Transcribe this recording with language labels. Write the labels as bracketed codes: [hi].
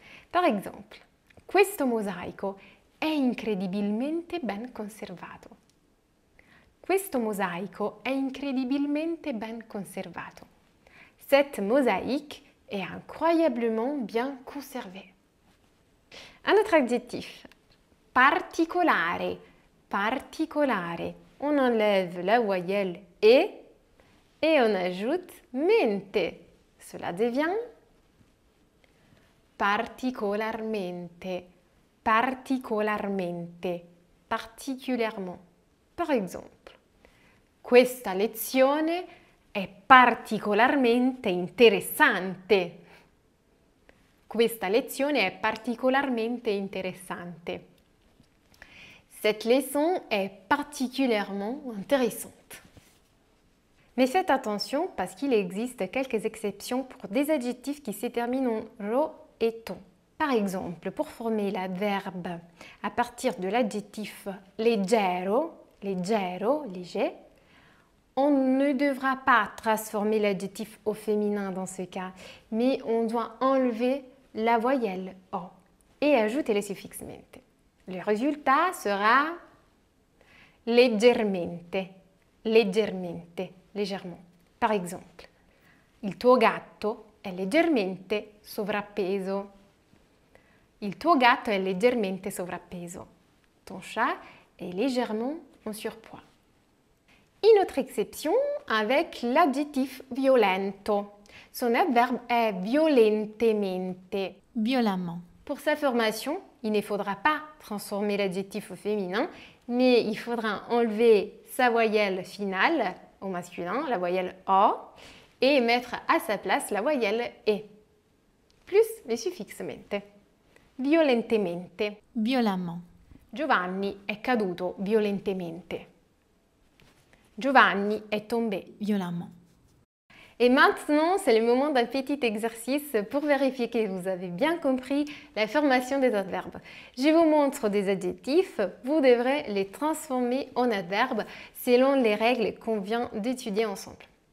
[fr] Par exemple, [it] questo mosaico è incredibilmente ben conservato. Questo mosaico è incredibilmente ben conservato. [fr] Cette mosaïque est incroyablement bien conservée. Un autre adjectif. Particolare. Particolare. on enlève la voyelle « e » et on ajoute « mente ». Cela devient « particolarmente ». Particolarmente, particulièrement. Par exemple, [it] questa lezione è particolarmente interessante. Questa lezione è particolarmente interessante. [fr] Cette leçon est particulièrement intéressante. Mais faites attention parce qu'il existe quelques exceptions pour des adjectifs qui se terminent en ro et ton. Par exemple, pour former l'adverbe à partir de l'adjectif leggero, leggero, léger, on ne devra pas transformer l'adjectif au féminin dans ce cas, mais on doit enlever la voyelle o et ajouter le suffixe mente. Le résultat sera leggermente, leggermente, légèrement. Par exemple, [it] il tuo gatto è leggermente sovrappeso. Il tuo gatto è leggermente sovrappeso. [fr] Ton chat est légèrement en surpoids. Une autre exception avec l'adjectif violento. Son adverbe est violentemente. Violemment. Pour sa formation, il ne faudra pas transformer l'adjectif au féminin, mais il faudra enlever sa voyelle finale au masculin, la voyelle o, et mettre à sa place la voyelle e, plus le suffixe mente. Violentemente. Violemment. [it] Giovanni è caduto violentemente. [fr] Giovanni è tombé violemment. Et maintenant, c'est le moment d'un petit exercice pour vérifier que vous avez bien compris la formation des adverbes. Je vous montre des adjectifs, vous devrez les transformer en adverbes selon les règles qu'on vient d'étudier ensemble.